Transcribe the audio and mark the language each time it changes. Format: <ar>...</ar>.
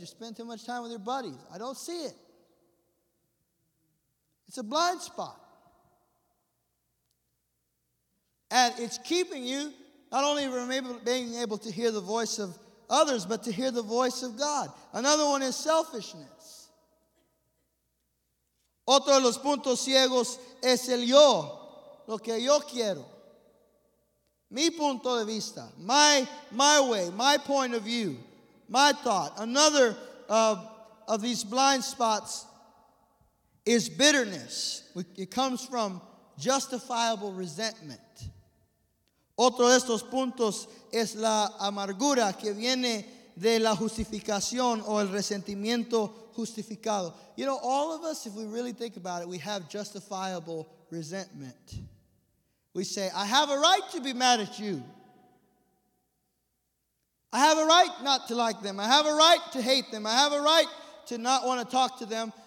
<en>You spend too much time with your buddies. I don't see it. It's a blind spot. And it's keeping you not only from being able to hear the voice of others, but to hear the voice of God. Another one is selfishness.</en> <es>Otro de los puntos ciegos es el yo, lo que yo quiero. Mi punto de vista,</es> <en>my way, my point of view, my thought. Another of these blind spots is bitterness. It comes from justifiable resentment.</en> <es>Otro de estos puntos es la amargura que viene de la justificación o el resentimiento justificado.</es> <en>You know, all of us, if we really think about it, we have justifiable resentment. We say, I have a right to be mad at you. I have a right not to like them. I have a right to hate them. I have a right to not want to talk to them.</en>